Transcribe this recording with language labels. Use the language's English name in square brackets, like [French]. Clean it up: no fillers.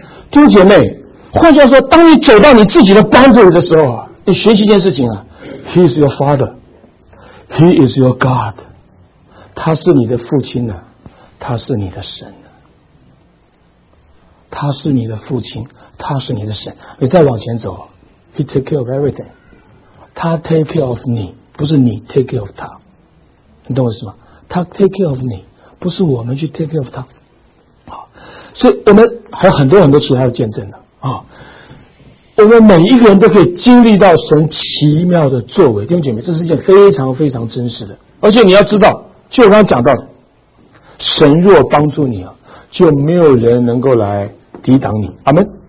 [Chinese] 弟兄姐妹，换句话说，当你走到你自己的帮助里的时候，你学习一件事情啊， [English] He is your father, He is your God, [Chinese] 他是你的父亲啊，他是你的神啊，他是你的父亲，他是你的神。你再往前走， [English] He take care of everything, [Chinese] 他 take care of 你，不是你 take care of 他，你懂我意思吗？他 [English] take care of [Chinese] 你，不是我们去 take care of 他。所以我们还有很多很多其他的见证呢啊！我们每一个人都可以经历到神奇妙的作为，弟兄姐妹，这是一件非常非常真实的。而且你要知道，就我刚刚讲到的，神若帮助你啊，就没有人能够来抵挡你。阿门。